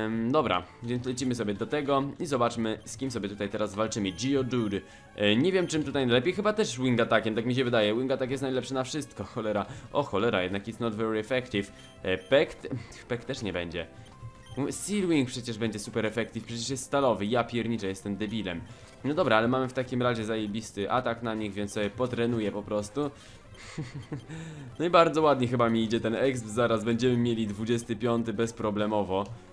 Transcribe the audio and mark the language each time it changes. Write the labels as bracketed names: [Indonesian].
[Polish] Dobra, więc lecimy sobie do tego i zobaczmy, z kim sobie tutaj teraz walczymy. Geodude, nie wiem, czym tutaj najlepiej, chyba też Wing Attackiem, tak mi się wydaje. Wing Attack jest najlepszy na wszystko, cholera. O cholera, jednak [English] it's not very effective. [Polish] Pek też nie będzie. Steel Wing przecież będzie super effective, przecież jest stalowy, ja pierniczę, jestem debilem. No dobra, ale mamy w takim razie zajebisty atak na nich, więc sobie potrenuję po prostu. No i bardzo ładnie chyba mi idzie ten exp, zaraz będziemy mieli 25 bezproblemowo.